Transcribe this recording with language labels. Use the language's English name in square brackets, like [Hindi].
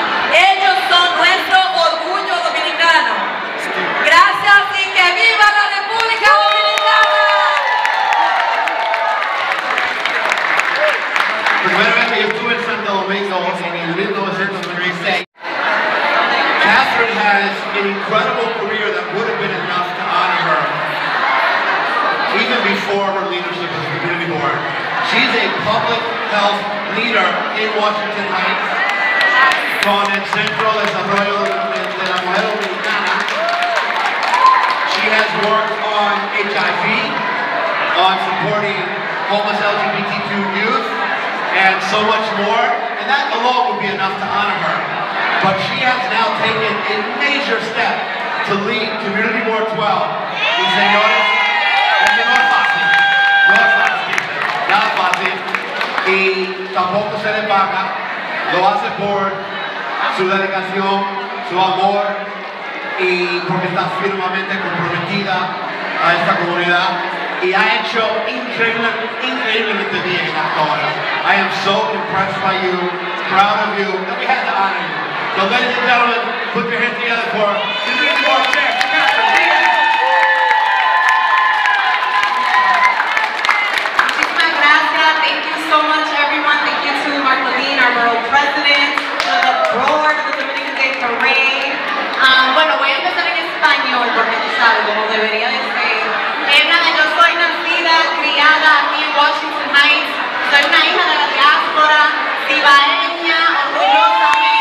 [Spanish] Ellos son nuestro orgullo dominicano. Gracias y que viva la República Dominicana. Primera vez que yo estuve en Santo Domingo en 1936. [English] Catherine has an incredible career that would have been enough to honor her, even before her leadership as a community board. She's a public health leader in Washington Heights, [Spanish] con el Centro de Desarrollo de la Mujer Dominicana. [English] She has worked on HIV, on supporting homeless LGBTQ youth, and so much more, and that alone would be enough to honor her. But she has now taken a major step to lead Community Board 12. [Spanish] Señores, no es fácil. No es fácil. No es fácil. Y tampoco se le paga. Lo hace por su dedicación, su amor, y porque está firmemente comprometida a esta comunidad. Y ha hecho increíblemente bien hasta ahora. [English] I am so impressed by you, proud of you, that we had the honor. So ladies and gentlemen, put your hands together for Community Board Chair, Catherine. [Spanish] Muchísimas gracias. [English] Thank you so much, everyone. Thank you to Mark Levine, our Borough President, the Board of the Dominican Day Parade. [Spanish] Bueno, voy a empezar en español porque tú sabes cómo debería decir. Nada, yo soy nacida, criada aquí en Washington Heights. Soy una hija de la diáspora, cibaeña, orgullosa.